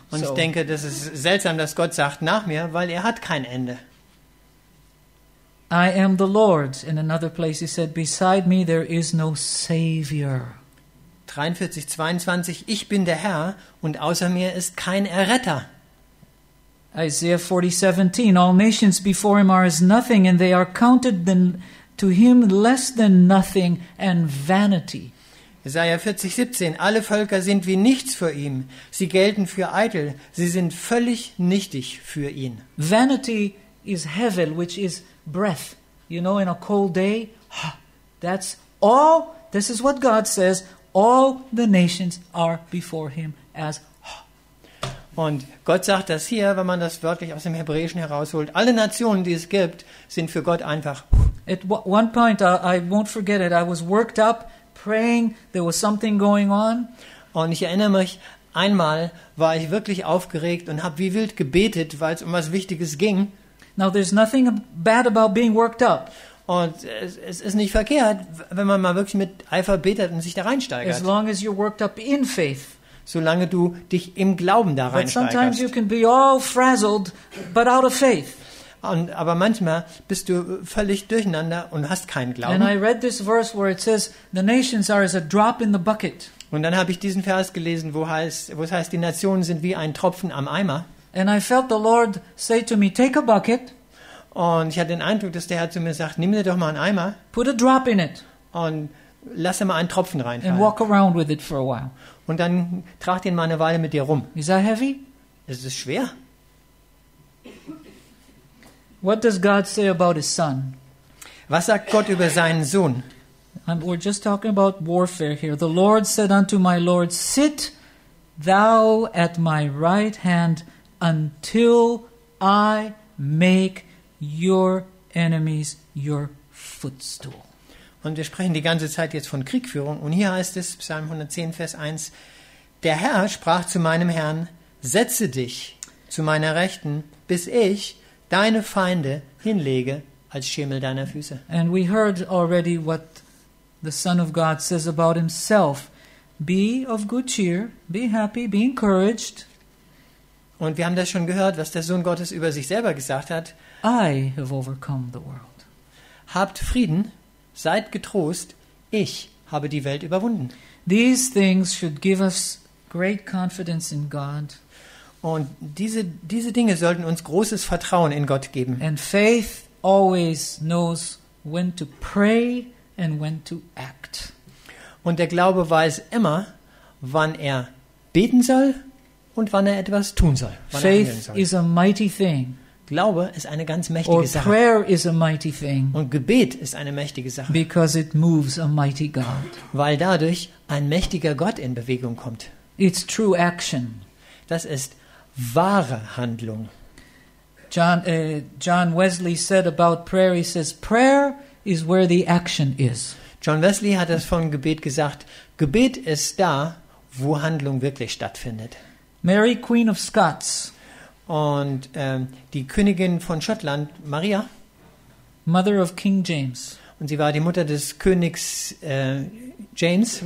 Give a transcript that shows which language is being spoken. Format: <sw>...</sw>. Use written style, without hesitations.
<de>Und ich denke, das ist seltsam, dass Gott sagt nach mir, weil er hat kein Ende.</de> <en>I am the Lord. In another place he said, beside me there is no savior.</en> <de>43, 22, ich bin der Herr und außer mir ist kein Erretter.</de> <en>Isaiah 40:17, all nations before him are as nothing and they are counted to him less than nothing and vanity.</en> <de>Jesaja 40:17, alle Völker sind wie nichts vor ihm, sie gelten für eitel, sie sind völlig nichtig für ihn.</de> <en>Vanity is hevel, which is breath. You know, in a cold day, that's all, this is what God says, all the nations are before him as.</en> <de>Und Gott sagt das hier, wenn man das wörtlich aus dem Hebräischen herausholt, alle Nationen, die es gibt, sind für Gott einfach.</de> <en>At one point, I won't forget it, I was worked up, praying, there was something going on.</en> <de>Und ich erinnere mich, einmal war ich wirklich aufgeregt und habe wie wild gebetet, weil es um was Wichtiges ging.</de> <en>Now there's nothing bad about being worked up.</en> <de>Und es ist nicht verkehrt, wenn man mal wirklich mit Eifer betet und sich da reinsteigert.</de> <en>As long as you're worked up in faith.</en> <de>Solange du dich im Glauben da reinsteigerst.</de> <en>But sometimes you can be all frazzled, but out of faith.</en> <de>Und, aber manchmal bist du völlig durcheinander und hast keinen Glauben.</de> <en>And I read this verse where it says, the nations are as a drop in the bucket.</en> <de>Und dann habe ich diesen Vers gelesen, wo es heißt, die Nationen sind wie ein Tropfen am Eimer.</de> <en>And I felt the Lord say to me, take a bucket.</en> <de>Und ich hatte den Eindruck, dass der Herr zu mir sagt, nimm dir doch mal einen Eimer.</de> <en>Put a drop in it.</en> <de>Und lass mal einen Tropfen reinfallen.</de> <en>And walk around with it for a while.</en> <de>Und dann trag den mal eine Weile mit dir rum.</de> <en>Is that heavy?</en> <de>Es ist schwer.</de> <en>What does God say about his son?</en> <de>Was sagt Gott über seinen Sohn?</de> <en>We're just talking about warfare here. The Lord said unto my Lord, sit thou at my right hand until I make your enemies your footstool.</en> <de>Und wir sprechen die ganze Zeit jetzt von Kriegführung. Und hier heißt es, Psalm 110, Vers 1, der Herr sprach zu meinem Herrn, setze dich zu meiner Rechten, bis ich deine Feinde hinlege als Schemel deiner Füße.</de> <en>And we heard already what the Son of God says about himself. Be of good cheer, be happy, be encouraged.</en> <de>Und wir haben das schon gehört, was der Sohn Gottes über sich selber gesagt hat.</de> <en>I have overcome the world.</en> <de>Habt Frieden, seid getrost, ich habe die Welt überwunden.</de> <en>These things should give us great confidence in God.</en> <de>Und diese Dinge sollten uns großes Vertrauen in Gott geben.</de> <en>And faith always knows when to pray and when to act.</en> <de>Und der Glaube weiß immer, wann er beten soll und wann er etwas tun soll.</de> <en>Faith is a mighty thing.</en> <de>Glaube ist eine ganz mächtige</de> <en>Or</en> <de>Sache.</de> <en>Prayer is a mighty thing.</en> <de>Und Gebet ist eine mächtige Sache.</de> <en>Because it moves a mighty God.</en> <de>Weil dadurch ein mächtiger Gott in Bewegung kommt.</de> <en>It's true action.</en> <de>Das ist wahre Handlung.</de> <en>John Wesley said about prayer, he says, prayer is where the action is.</en> <de>John Wesley hat das von Gebet gesagt, Gebet ist da, wo Handlung wirklich stattfindet.</de> <en>Mary, Queen of Scots.</en> <de>Und die Königin von Schottland, Maria.</de> <en>Mother of King James.</en> <de>Und sie war die Mutter des Königs James.</de>